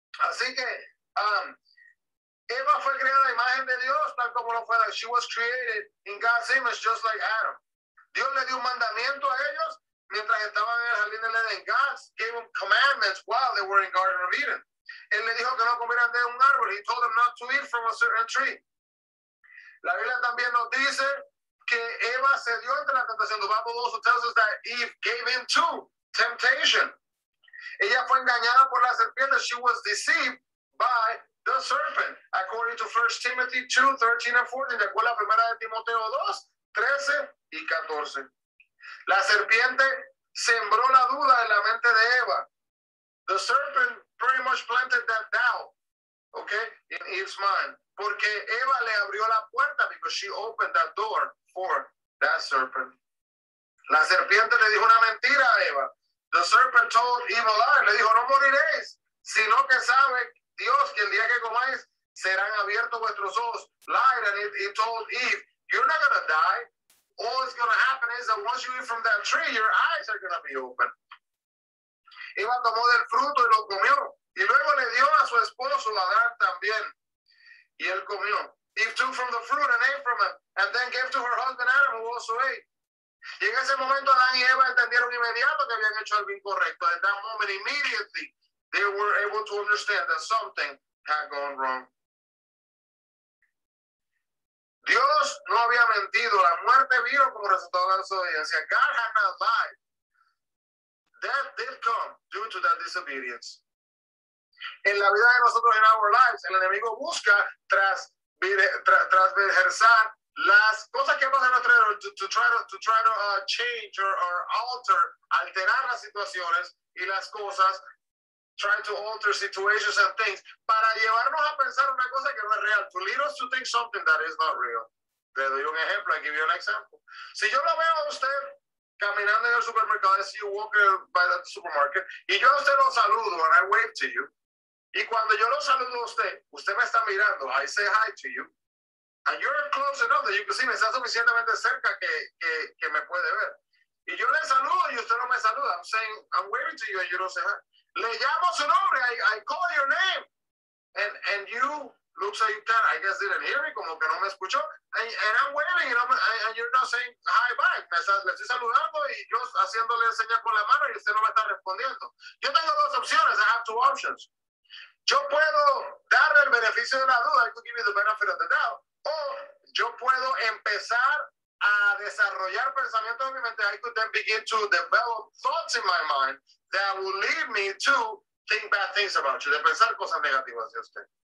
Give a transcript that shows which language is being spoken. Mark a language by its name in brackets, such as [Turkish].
[Spanish] Así que, Eva fue creada a imagen de Dios, tal como lo fue. [English] She was created in God's image, just like Adam. [Spanish] Dios le dio un mandamiento a ellos mientras estaban en el jardín del Edén. [English] God gave them commandments while they were in Garden of Eden. [Spanish] Él le dijo que no comieran de un árbol. [English] He told them not to eat from a certain tree. [Spanish] La Biblia también nos dice que Eva cedió ante la tentación. [English] The Bible also tells us that Eve gave in to temptation. [Spanish] Ella fue engañada por la serpiente. [English] She was deceived by the serpent. According to 1 Timothy 2:13 and 14. [Spanish] De acuerdo a 1 Timoteo 2, 13 y 14. La serpiente sembró la duda en la mente de Eva. [English] The serpent pretty much planted that doubt, okay, in Eve's mind. [Spanish] Porque Eva le abrió la puerta, [English] because she opened that door for that serpent. [Spanish] La serpiente le dijo una mentira a Eva. [English] The serpent told Eve a lie. [Spanish] Le dijo, no moriréis, sino que sabe Dios que el día que comáis serán abiertos vuestros ojos. [English] Lied, and he told Eve, you're not going to die. All that's going to happen is that once you eat from that tree, your eyes are going to be open. [Spanish] Eva tomó del fruto y lo comió. Y luego le dio a su esposo Adán también. Y él comió. [English] Eve took from the fruit and ate from it, and then gave to her husband Adam, who also ate. [Spanish] Y en ese momento Adán y Eva entendieron inmediato que habían hecho algo incorrecto. [English] At that moment, immediately, they were able to understand that something had gone wrong. [Spanish] Dios no había mentido. La muerte vino como resultado de la desobediencia. [English] God had not lied. Death did come due to that disobedience. [Spanish] En la vida de nosotros, [English] in our lives, [Spanish] el enemigo busca transversar las cosas que pasan a nuestro alrededor [English] to try to [Spanish] alterar las situaciones y las cosas, [English] try to alter situations and things, [Spanish] para llevarnos a pensar una cosa que no es real, [English] to lead us to think something that is not real. [Spanish] Le doy un ejemplo, [English] I give you an example. [Spanish] Si yo lo veo a usted caminando en el supermercado, [English] I see you walking by the supermarket, [Spanish] y yo a usted lo saludo, [English] and I wave to you, [Spanish] y cuando yo lo saludo a usted, usted me está mirando, [English] I say hi to you, and you're close enough that you can see me, [Spanish] está suficientemente cerca que me puede ver. Y yo le saludo y usted no me saluda. [English] I'm saying, I'm waving to you and you don't say hi. [Spanish] Le llamo su nombre, [English] I call your name. And you look like you can, I guess didn't hear me, [Spanish] como que no me escuchó. [English] And I'm waving, you know, and you're not saying hi back. [Spanish] Le estoy saludando y yo haciéndole señas con la mano y usted no me está respondiendo. Yo tengo dos opciones, [English] I have two options. [Spanish] Yo puedo darle el beneficio de la duda, [English] I could give you the benefit of the doubt. [Spanish] O yo puedo empezar a desarrollar pensamientos en mi mente. [English] I could then begin to develop thoughts in my mind that will lead me to think bad things about you, [Spanish] de pensar cosas negativas de usted.